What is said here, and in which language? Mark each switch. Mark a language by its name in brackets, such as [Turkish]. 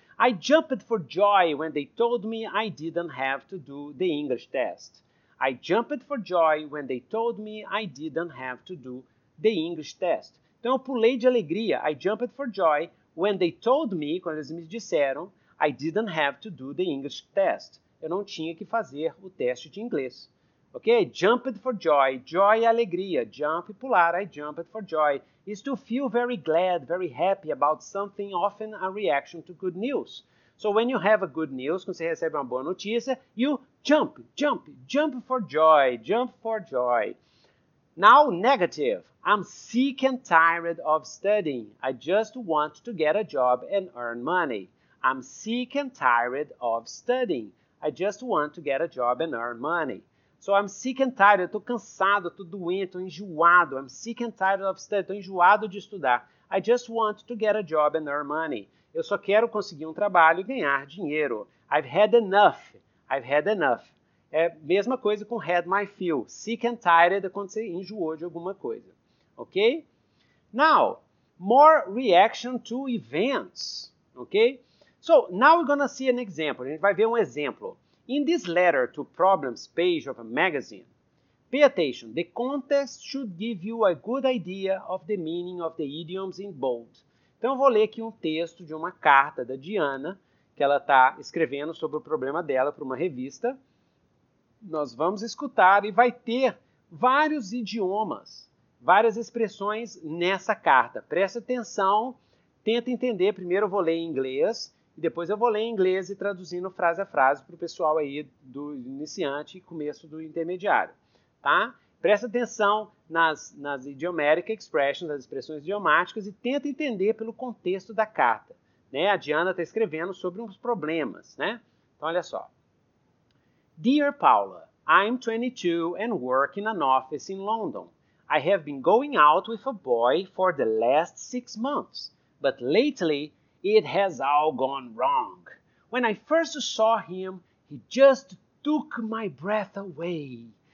[English] I jumped for joy when they told me I didn't have to do the English test. I jumped for joy when they told me I didn't have to do the English test. [Portuguese] Então, eu pulei de alegria. [English] I jumped for joy when they told me, [Portuguese] quando eles me disseram, [English] I didn't have to do the English test. [Portuguese] Eu não tinha que fazer o teste de inglês. [English] Ok? Jumped for joy. Joy [Portuguese] é alegria. [English] Jump, pular. I jumped for joy. Is to feel very glad, very happy about something, often a reaction to good news. So when you have a good news, [Portuguese] quando você recebe uma boa notícia, [English] you jump, jump, jump for joy, jump for joy. Now, negative. I'm sick and tired of studying. I just want to get a job and earn money. I'm sick and tired of studying. I just want to get a job and earn money. So I'm sick and tired. [Portuguese] Eu tô cansado, tô doente, tô enjoado. [English] I'm sick and tired of studying. [Portuguese] Tô enjoado de estudar. [English] I just want to get a job and earn money. [Portuguese] Eu só quero conseguir um trabalho e ganhar dinheiro. [English] I've had enough. I've had enough. [Portuguese] É a mesma coisa com [English] had my fill. [Portuguese] Sick and tired é quando você enjoou de alguma coisa. Ok? [English] Now, more reaction to events. Ok? So, now we're going to see an example. [Portuguese] A gente vai ver um exemplo. [English] In this letter to problems page of a magazine, pay attention. The context should give you a good idea of the meaning of the idioms in bold. [Portuguese] Então, eu vou ler aqui um texto de uma carta da Diana, que ela está escrevendo sobre o problema dela para uma revista. Nós vamos escutar e vai ter vários idiomas, várias expressões nessa carta. Presta atenção, tenta entender. Primeiro eu vou ler em inglês e depois eu vou ler em inglês e traduzindo frase a frase para o pessoal aí do iniciante e começo do intermediário. Tá? Presta atenção nas idiomatic expressions, nas expressões idiomáticas e tenta entender pelo contexto da carta. Né? A Diana está escrevendo sobre uns problemas. Né? Então olha só. [English] Dear Paula, I'm 22 and work in an office in London. I have been going out with a boy for the last 6 months, but lately it has all gone wrong. When I first saw him, he just took my breath away.